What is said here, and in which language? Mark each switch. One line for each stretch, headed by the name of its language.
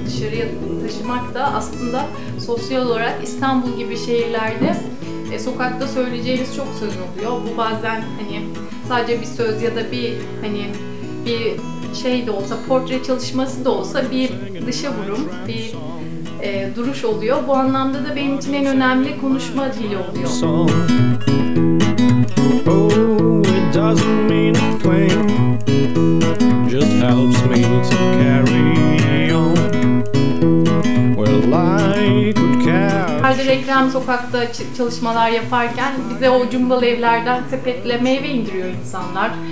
Turkish: Dışarıya taşımak da aslında sosyal olarak İstanbul gibi şehirlerde sokakta söyleyeceğiniz çok söz oluyor. Bu bazen hani sadece bir söz ya da bir hani bir şey de olsa, portre çalışması da olsa bir dışa vurum, bir duruş oluyor. Bu anlamda da benim için en önemli konuşma dili oluyor.
English: Oh, it doesn't mean a thing. Just helps me to carry on. Well, I could care.
Turkish: Her de Ekrem sokakta çalışmalar yaparken bize o cumbalı evlerden sepetle meyve indiriyor insanlar.